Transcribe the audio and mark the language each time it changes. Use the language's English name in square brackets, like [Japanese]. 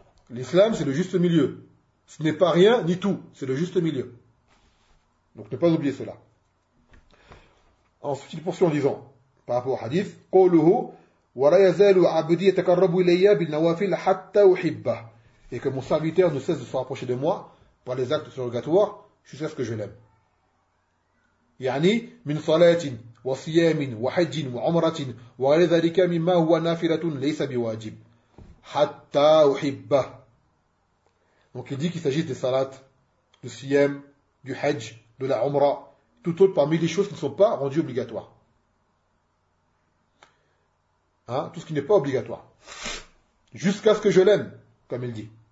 [French] L'islam, c'est le juste milieu. Ce n'est pas rien ni tout, c'est le juste milieu. Donc ne pas oublier cela. Ensuite, il poursuit en disant, par rapport au hadith, « Qoluhu » [Arabic] وَلَا يَزَالُ عَبْدِي يَتَكَرَّبُ إِلَيَّ بِالنَّوَافِلَ حَتَّى أُحِبَّهُ. [French] Et que mon serviteur ne cesse de se rapprocher de moi par les actes surrogatoires jusqu'à ce que je l'aime. [Arabic] يعني من صلاة وصيام وحج وعمرة وغير ذلك مما هو نافلة ليس بواجب حتى أحبه. [French] Donc il dit qu'il s'agit des salats, du siyam, du hajj, de la umra, tout autre parmi les choses qui ne sont pas rendues obligatoires. Hein, tout ce qui n'est pas obligatoire. Jusqu'à ce que je l'aime, comme il dit.